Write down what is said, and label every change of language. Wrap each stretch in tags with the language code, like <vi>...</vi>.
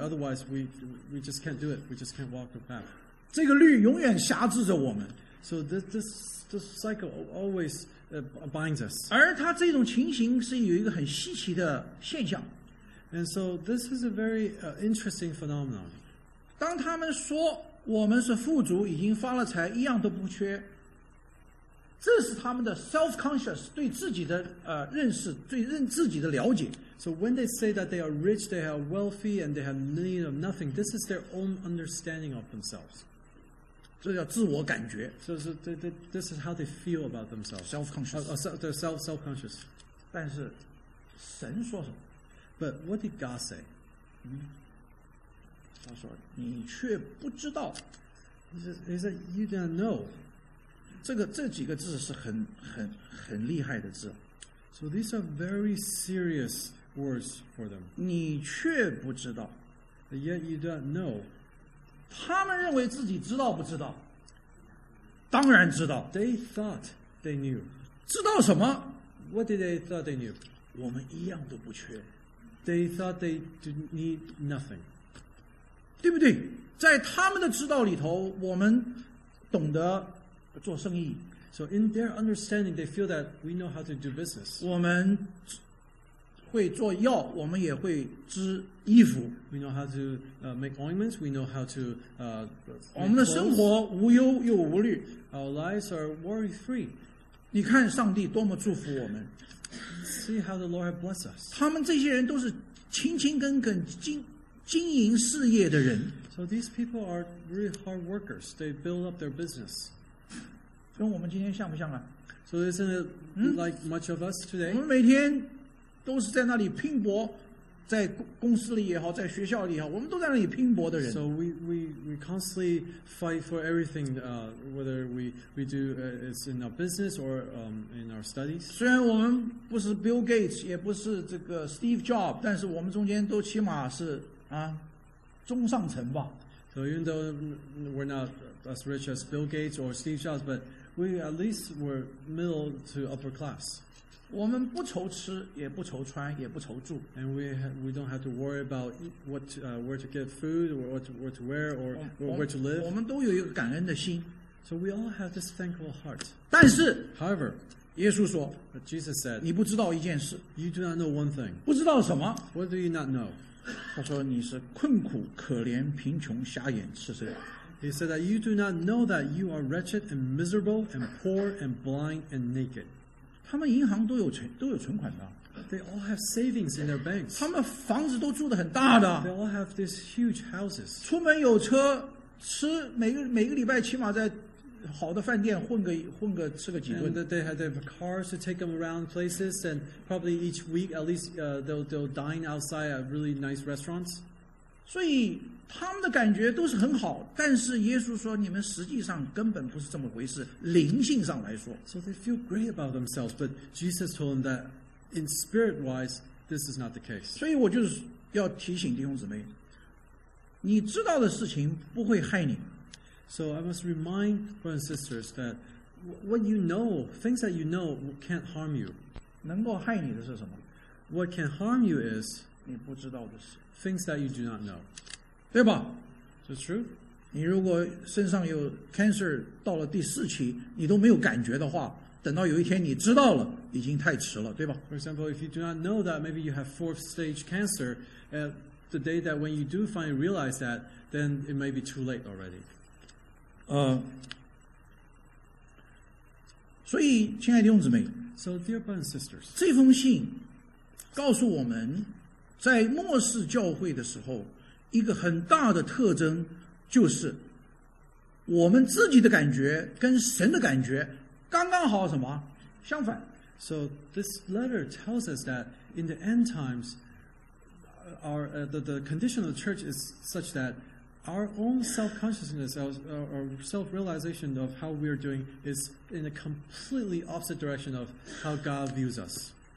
<en>Otherwise, we just can't do it. We just can't walk the path.</en> <zh>这个律永远辖制着我们。</zh> <en>So this cycle always. Binds us.</en> <zh>而他这种情形是有一个很稀奇的现象。</zh> <en>And so this is a very interesting phenomenon.</en> <zh>当他们说我们是富足，已经发了财，一样都不缺，这是他们的 self-conscious 对自己的认识，对自己的了解。</zh> <en>So when they say that they are rich, they are wealthy, and they have need of nothing, this is their own understanding of themselves.</en> <zh>这叫自我感觉。</zh> <en>So this is how they feel about themselves. Self-conscious. Self-conscious.</en> <zh>但是神说什么？</zh> <en>But what did God say?</en> <zh>他说你却不知道。</zh> <en>He said, you don't know.</en> <zh>这几个字是很厉害的字。</zh> <en>So these are very serious words for them.</en> <zh>你却不知道。</zh> <en>But yet you don't know.</en> <zh>他们认为自己知道不知道？当然知道。</zh> <en>They thought they knew.</en> <zh>知道什么？</zh> <en>What did they thought they knew?</en> <zh>我们一样都不缺。</zh> <en>They thought they didn't need nothing.</en> <zh>对不对？在他们的知道里头，我们懂得做生意。</zh> <en>So in their understanding, they feel that we know how to do business.</en> <zh>我们会做药，我们也会织衣服。</zh> <en>We know how to make ointments. We know how to</en> <zh>我们的生活无忧又无虑。</zh> <en>Our lives are worry-free.</en> <zh>你看上帝多么祝福我们。</zh> <en>See how the Lord blessed us.</en> <zh>他们这些人都是勤勤恳恳经营事业的人。</zh> <en>So these people are really hard workers. They build up their business.</en> <zh>跟我们今天像不像啊？</zh> <en>So isn't it like much of us today?</en> <zh>我们每天都是在那里拼搏，在公司里也好，在学校里也好，我们都在那里拼搏的人。</zh> <en>So we constantly fight for everything, whether we do it's in our business or in our studies.</en> <zh>虽然我们不是 Bill Gates， 也不是这个 Steve Jobs， 但是我们中间都起码是啊中上层吧。</zh> <en>So even though we're not as rich as Bill Gates or Steve Jobs, but we at least were middle to upper class.</en> <zh>我们不愁吃，也不愁穿，也不愁住。</zh> <en>And we don't have to worry about what where to get food or what to wear or where to live.</en> <zh>我们都有一个感恩的心。</zh> <en>So we all have this thankful heart.</en> <zh>但是</zh> <en>，However，</en> <zh>耶稣说</zh> <en>，Jesus said，</en> <zh>你不知道一件事。</zh> <en>You do not know one thing.</en> <zh>不知道什么</zh> <en>？What do you not know？</en> <zh>他说你是困苦、可怜、贫穷、瞎眼、赤身。</zh> <en>He said that you do not know that you are wretched and miserable and poor and blind and naked.</en> <zh>他们银行都有存款的。</zh> <en>They all have savings in their banks.</en> <zh>他们房子都住得很大的。</zh> <en>They all have these huge houses.</en> <zh>出门有车，吃每个礼拜起码在好的饭店混个吃个几顿。</zh> <en>And they have cars to take them around places, and probably each week at least they'll dine outside at really nice restaurants.</en> <zh>所以他们的感觉都是很好，但是耶稣说你们实际上根本不是这么回事，灵性上来说。</zh> <en>So they feel great about themselves, but Jesus told them that in spirit wise, this is not the case.</en> <zh>所以我就是要提醒弟兄姊妹，你知道的事情不会害你。</zh> <en>So I must remind brothers and sisters that what you know, things that you know can't harm you.</en> <zh>能够害你的是什么？</zh> <en>What can harm you is</en> <zh>你不知道的事。</zh> <en>Things that you do not know.</en> <zh>对吧？是 true。你如果身上有 cancer 到了第四期，你都没有感觉的话，等到有一天你知道了，已经太迟了，对吧</zh> <en>？For example, if you do not know that maybe you have fourth stage cancer, at the day that when you do finally realize that, then it may be too late already.</en> <zh>所以，亲爱的弟兄姊妹</zh> <en>，So dear brothers and sisters，</en> <zh>这封信告诉我们，在末世教会的时候。一个很大的特征就是我们自己的感觉跟神的感觉刚刚好什么相反。</zh> <en>So this letter tells us that in the end times, the condition of the church is such that our own self-consciousness or self-realization of how we are doing is in a completely opposite direction of how God views us.</en>